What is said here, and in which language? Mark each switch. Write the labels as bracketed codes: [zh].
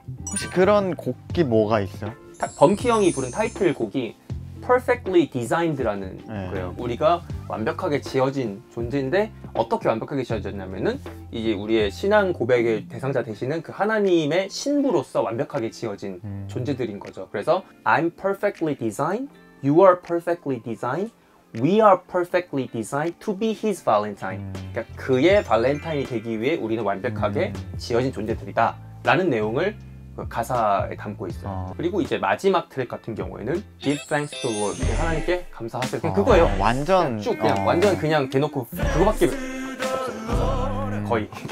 [ko] 혹시 그런 곡이 뭐가 있어요? 범키 형이 부른 타이틀곡이 Perfectly Designed라는 네. 거예요. 우리가 완벽하게 지어진 존재인데 어떻게 완벽하게 지어졌냐면은 이제 우리의 신앙 고백의 대상자 되시는 그 하나님의 신부로서 완벽하게 지어진 존재들인 거죠. [en] 그래서 I'm perfectly designed, you are perfectly designed, we are perfectly designed to be his valentine. [ko] 그러니까 그의 발렌타인이 되기 위해 우리는 완벽하게 지어진 존재들이다 라는 내용을 그 가사에 담고 있어요. 그리고 이제 마지막 트랙 같은 경우에는 [en] Give thanks to the Lord, [ko] 하나님께 감사하세요. 그냥 그거예요. 완전 그냥 쭉 그냥 완전 그냥 대놓고 그거밖에 거의